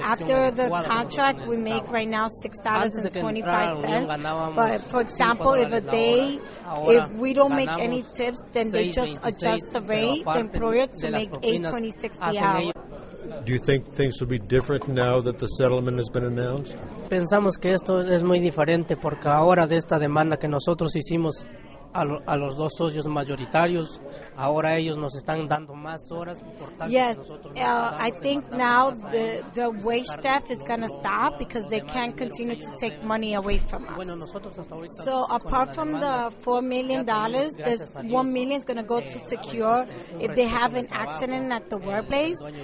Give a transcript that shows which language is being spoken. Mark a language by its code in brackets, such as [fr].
[en] After the contract, we make right now $6.25. But for example, if we don't make any tips, then they just adjust the rate, the employer, to make $8.26 the hour. Do you think things will be different now that the settlement has been announced? [es] Pensamos que esto es muy diferente porque ahora de esta demanda que nosotros hicimos a los dos socios mayoritarios. Ahora ellos nos están dando más horas. [en] Yes, I think now the wage staff is going to stop because they can't continue to take money away from us. [es] Bueno, nosotros hasta ahorita, [en] so apart from the $4 million, this $1 million is going to go to secure if they have an accident at the workplace.